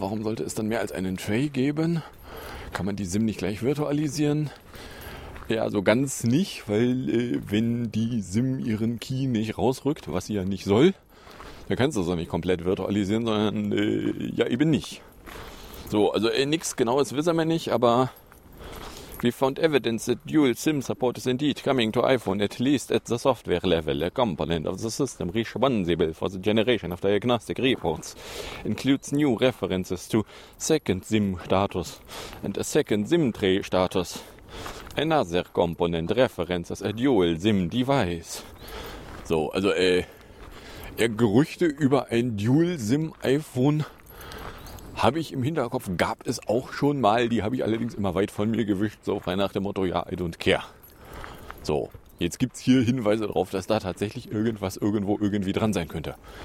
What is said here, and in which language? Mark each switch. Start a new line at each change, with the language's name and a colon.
German: Warum sollte es dann mehr als einen Tray geben? Kann man die SIM nicht gleich virtualisieren? Ja, so ganz nicht, weil wenn die SIM ihren Key nicht rausrückt, was sie ja nicht soll, dann kannst du es auch nicht komplett virtualisieren, sondern ja, eben nicht. So, also nichts Genaues wissen wir nicht, aber
English: we found evidence that dual SIM support is indeed coming to iPhone, at least at the software level. A component of the system responsible for the generation of diagnostic reports includes new references to second SIM status and a second SIM tray status. Another component references a dual SIM device.
German: So, also Gerüchte über ein dual SIM iPhone habe ich im Hinterkopf, gab es auch schon mal, die habe ich allerdings immer weit von mir gewischt, so frei nach dem Motto, ja,
English: I don't care.
German: So, jetzt gibt es hier Hinweise darauf, dass da tatsächlich irgendwas irgendwo irgendwie dran sein könnte.